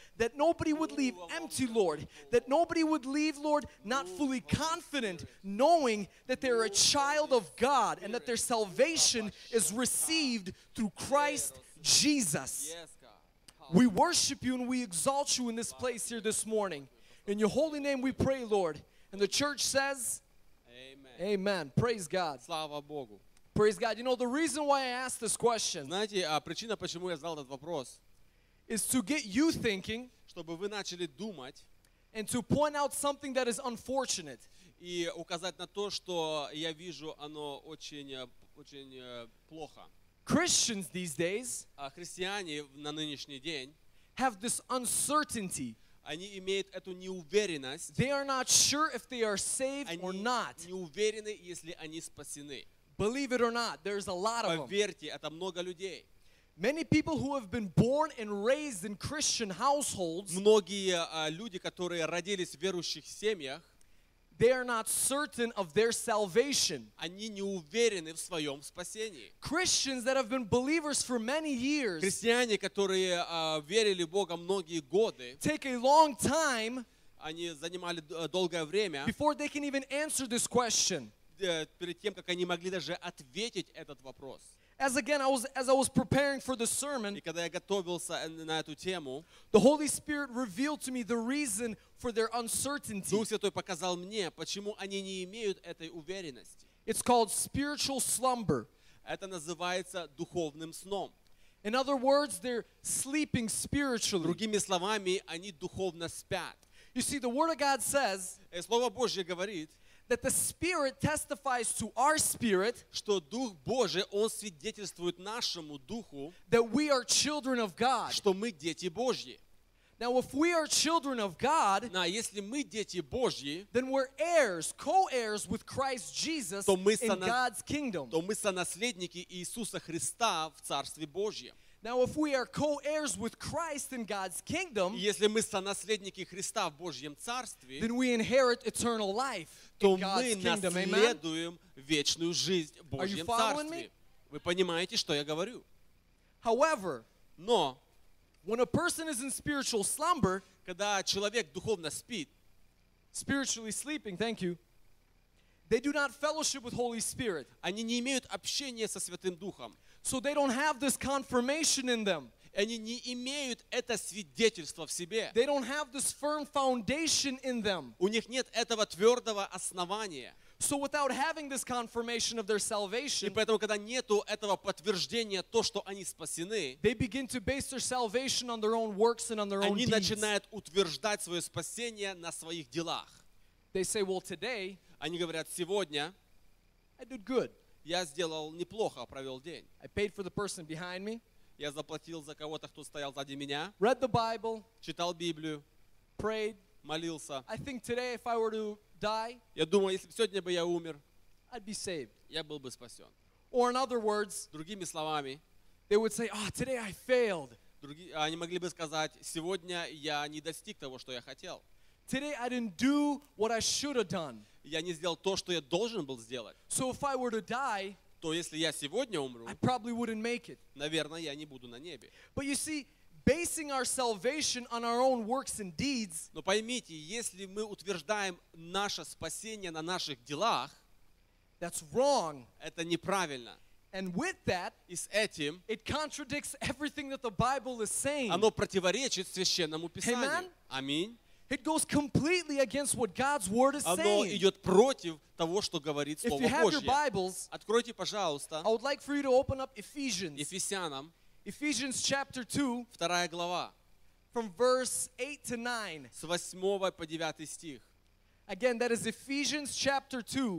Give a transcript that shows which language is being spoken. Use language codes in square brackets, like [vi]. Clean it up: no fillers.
[en] That nobody would leave empty, Lord. That nobody would leave, Lord, not fully confident, knowing that they're a child of God and that their salvation is received through Christ Jesus. We worship you and we exalt you in this place here this morning. In your holy name we pray, Lord. And the church says, amen. Amen. Praise God. [ru] Слава Богу. [en] Praise God. You know, the reason why I asked this question, [ru] знаете, причина, почему я задал этот вопрос, [en] is to get you thinking, [ru] чтобы вы начали думать, [en] and to point out something that is unfortunate, [ru] и указать на то, что я вижу, оно очень, очень плохо. [en] Christians these days, [ru] христиане на нынешний день, [en] have this uncertainty. [ru] Они имеют эту неуверенность. [en] They are not sure if they are saved or not. [ru] Они не уверены, если они спасены. [en] Believe it or not, there's a lot of them. [ru] Поверьте, это много людей. [en] Many people who have been born and raised in Christian households, [ru] многие люди, которые родились в верующих семьях, [en] they are not certain of their salvation. [ru] Они не уверены в своем спасении. [en] Christians that have been believers for many years, [ru] христиане, которые верили в Бога многие годы, [en] take a long time, [ru] они занимали долгое время, [en] before they can even answer this question. [ru] Перед тем, как они могли даже ответить этот вопрос. [en] As again, as I was preparing for the sermon, [ru] и когда я готовился на эту тему, [en] the Holy Spirit revealed to me the reason for their uncertainty. [ru] Дух Святой показал мне, почему они не имеют этой уверенности. [en] It's called spiritual slumber. [ru] Это называется духовным сном. [en] In other words, they're sleeping spiritually. [ru] Другими словами, они духовно спят. [en] You see, the Word of God says, [ru] и Слово Божье говорит, [en] that the Spirit testifies to our spirit, [ru] что Дух Божий, Он свидетельствует нашему духу, [en] that we are children of God, [ru] что мы дети Божьи. [en] Now, if we are children of God, [ru] на, если мы дети Божьи, [en] then we're heirs, co-heirs with Christ Jesus [ru] то мы [en] in God's kingdom. [ru] То мы сонаследники Иисуса Христа в Царстве Божьем. [en] Now, if we are co-heirs with Christ in God's kingdom, [ru] если мы сонаследники Христа в Божьем Царстве, [en] then we inherit eternal life [ru] то мы [en] kingdom, [ru] наследуем [en] amen? [ru] Вечную жизнь в Божьем Царстве. [en] Me? [ru] Вы понимаете, что я говорю? [en] However, [ru] но, [en] when a person is in spiritual slumber, [ru] когда человек духовно спит, [en] spiritually sleeping, thank you, they do not fellowship with Holy Spirit. [ru] Они не имеют общения со Святым Духом. [en] So they don't have this confirmation in them. [ru] Они не имеют это свидетельство в себе. [en] They don't have this firm foundation in them. [ru] У них нет этого твердого основания. [en] So without having this confirmation of their salvation, [ru] и поэтому, когда нету этого подтверждения, то, что они спасены, [en] they begin to base their salvation on their own works and on their own deeds. [ru] Они начинают утверждать свое спасение на своих делах. [en] They say, well, today, [ru] они говорят, сегодня, [en] I did good. [ru] Я сделал неплохо, провел день. [en] I paid for the person behind me. [ru] Я заплатил за кого-то, кто стоял сзади меня. [en] Read the Bible. [ru] Читал Библию. [en] Prayed. [ru] Молился. [en] I think today if I were to die. [ru] Я думаю, если бы сегодня бы я умер. [en] I'd be saved. [ru] Я был бы спасен. [en] Or in other words. [ru] Другими словами. [en] They would say, "Oh, today I failed." [ru] Они могли бы сказать, сегодня я не достиг того, что я хотел. [en] Today I didn't do what I should have done. [ru] Я не сделал то, что я должен был сделать. [en] So if I were to die, [ru] то если я сегодня умру, [en] I probably wouldn't make it. [ru] Наверное, я не буду на небе. [en] But you see, basing our salvation on our own works and deeds, [ru] но поймите, если мы утверждаем наше спасение на наших делах, [en] that's wrong. [ru] Это неправильно. [en] And with that, [ru] и с этим, [en] it contradicts everything that the Bible is saying. [ru] Оно противоречит Священному Писанию. [en] Amen? [ru] Аминь. [en] It goes completely against what God's word is [ru] оно [en] saying. [ru] Идет против того, что говорит Слово Божье. [en] If you have your Bibles, [ru] откройте, пожалуйста, [en] I would like for you to open up Ephesians. [ru] Ефесянам. [en] Ephesians chapter 2. [ru] Вторая глава. [en] From verse 8 to 9. [ru] С 8 по 9 стих. [en] Again, that is Ephesians chapter 2.